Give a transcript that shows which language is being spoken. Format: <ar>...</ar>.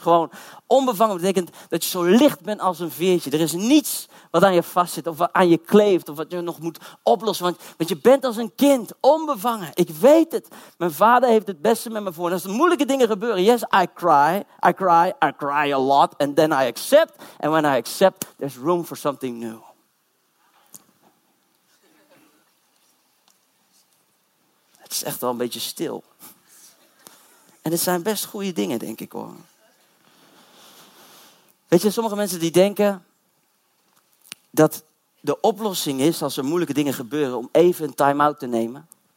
<nl>Gewoon onbevangen betekent dat je zo licht bent als een veertje. Er is niets wat aan je vastzit of aan je kleeft of wat je nog moet oplossen. Want je bent als een kind, onbevangen. Ik weet het. Mijn vader heeft het beste met me voor. En als er moeilijke dingen gebeuren,</nl> <en>yes, I cry a lot. And then I accept. And when I accept, there's room for something new.</en> <nl>Het is echt wel een beetje stil. En het zijn best goede dingen, denk ik hoor. Weet je, sommige mensen die denken dat de oplossing is, als er moeilijke dingen gebeuren, om even een time-out te nemen.</nl>